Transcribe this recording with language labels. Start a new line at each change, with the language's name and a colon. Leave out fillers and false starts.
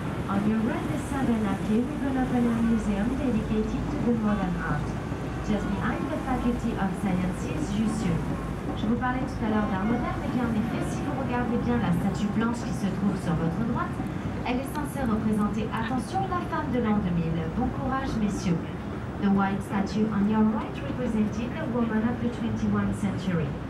English: On your right, the southern avenue, we will open a museum dedicated to the modern art. Just behind the faculty of sciences, Jussieu.
French: Je vous parlais tout à l'heure d'art moderne, et bien en effet, si vous regardez bien la statue blanche qui se trouve sur votre droite, elle est censée représenter, attention, la femme de l'an 2000. Bon courage, messieurs.
English: The white statue on your right represented the woman of the 21st century.